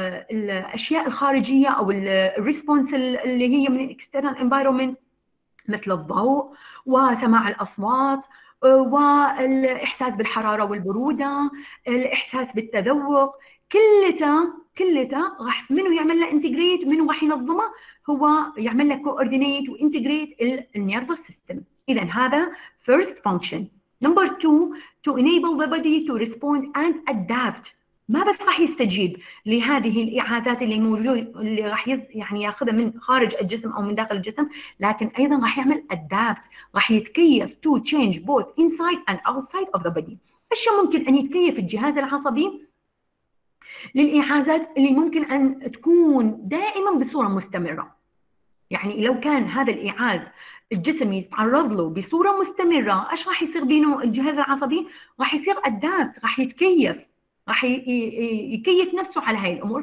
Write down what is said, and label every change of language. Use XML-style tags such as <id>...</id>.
<ar>الأشياء الخارجية أو الريسبونس اللي هي من</ar> <en>external environment</en> <ar>مثل الضوء وسماع الأصوات والإحساس بالحرارة والبرودة، الإحساس بالتذوق، كلتها راح منو يعمل لها انتجريت؟ منو راح ينظمها؟ هو يعمل لها كوردينيت وانتجريت النيرفوس سيستم. إذا هذا</ar> <en>first function. Number two, to enable the body to respond and adapt.</en> <ar>ما بس راح يستجيب لهذه الإعازات اللي موجود اللي راح يعني ياخذها من خارج الجسم أو من داخل الجسم، لكن أيضا راح يعمل adapt، راح يتكيف</ar> <en>to change both inside and outside of the body.</en> <ar>إيش ممكن أن يتكيف الجهاز العصبي للإعازات اللي ممكن أن تكون دائما بصورة مستمرة؟ يعني لو كان هذا الإعاز الجسم يتعرض له بصورة مستمرة، إيش راح يصير بينه الجهاز العصبي؟ راح يصير adapt، راح يتكيف، راح يكيف نفسه على هاي الأمور.</ar>